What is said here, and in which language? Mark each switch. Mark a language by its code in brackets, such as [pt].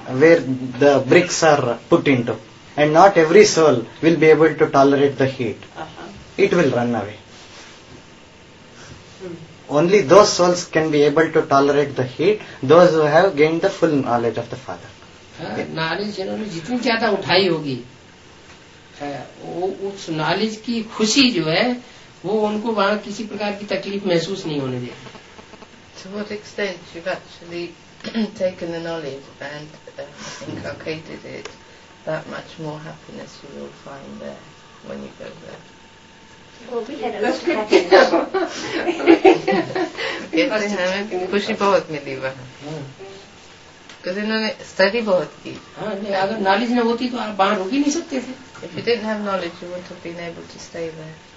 [en] where the bricks are put into, and not every soul will be able to tolerate the heat. Uh-huh. It will run away. Only those souls can be able to tolerate the heat, those who have gained the full knowledge of the father. [hi] Knowledge jitni zyada uthai hogi, वो उस knowledge की खुशी जो है वो उनको वहाँ किसी प्रकार की तकलीफ महसूस नहीं होने देगी। [en] To what extent you've actually taken the knowledge and inculcated it, that much more happiness you will find there when you go there. Well, we had a lot of happiness. [hi] ये तो हमें खुशी बहुत मिली वहाँ। Because इन्होंने study बहुत की। हाँ नहीं, अगर knowledge ना होती तो आप वहाँ रुक ही नहीं सकते थे। [en] If you didn't have knowledge, you wouldn't have been able to stay there.